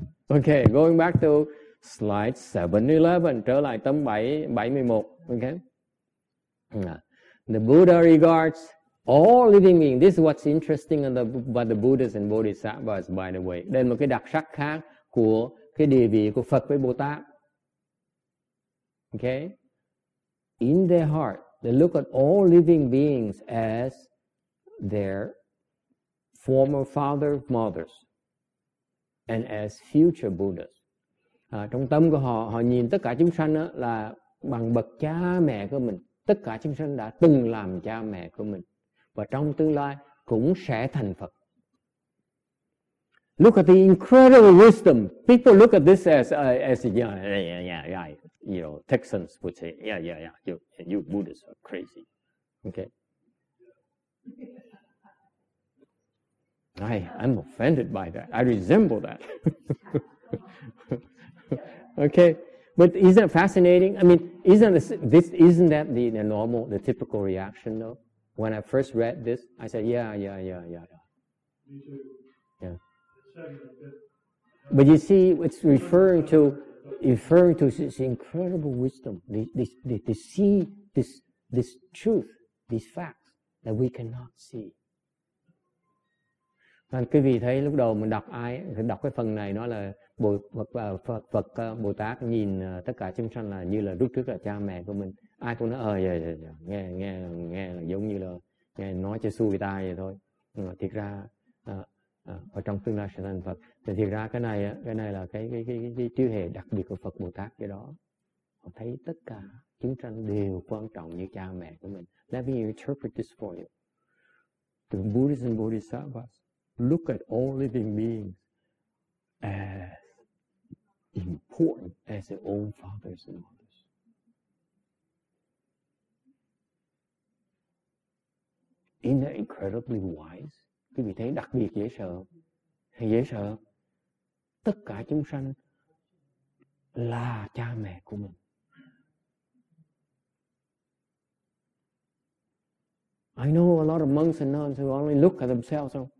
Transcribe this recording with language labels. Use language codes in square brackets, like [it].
[en] Okay, going back to slide 711, [vi] trở lại tấm 771. [en] Okay. The Buddha regards all living beings. This is what's interesting about the Buddhas and Bodhisattvas, by the way. [vi] Đây là một cái đặc sắc khác của cái địa vị của Phật với Bồ Tát. [en] Okay. In their heart, they look at all living beings as their former father, mothers, and as future Buddhas. [vi] Trong tâm của họ, họ nhìn tất cả chúng sanh là bằng bậc cha mẹ của mình, tất cả chúng sanh đã từng làm cha mẹ của mình và trong tương lai cũng sẽ thành Phật. [en] Look at the incredible wisdom. People look at this as yeah, you know, Texans would say, yeah, you Buddhists are crazy. Okay. I'm offended by that. I resemble that. Okay. But isn't that fascinating? I mean, isn't that the normal, the typical reaction though? When I first read this, I said, yeah. Me too. Yeah. It's saying that But you see, it's referring to this incredible wisdom, to see this truth, these facts that we cannot see. [vi] Còn quý vị thấy lúc đầu mình đọc ai đọc cái phần này nó là Phật Bồ Tát nhìn tất cả chúng sanh là như là lúc trước là cha mẹ của mình, ai cũng nói nghe là giống như là nghe nói cho xui tai vậy thôi. Thiệt ra ở trong tương lai sẽ thành Phật, thì thiệt ra cái này là cái trí hệ đặc biệt của Phật Bồ Tát cái đó. Họ thấy tất cả chúng sanh đều quan trọng như cha mẹ của mình. [en] Let me interpret this for you. The Buddhists and Bodhisattvas look at all living beings as important as their own fathers and mothers. Isn't that incredibly wise? [vi] Quý vị thấy đặc biệt dễ sợ hay dễ sợ? Tất cả chúng sanh là cha mẹ của mình. [en] I know a lot of monks and nuns who only look at themselves.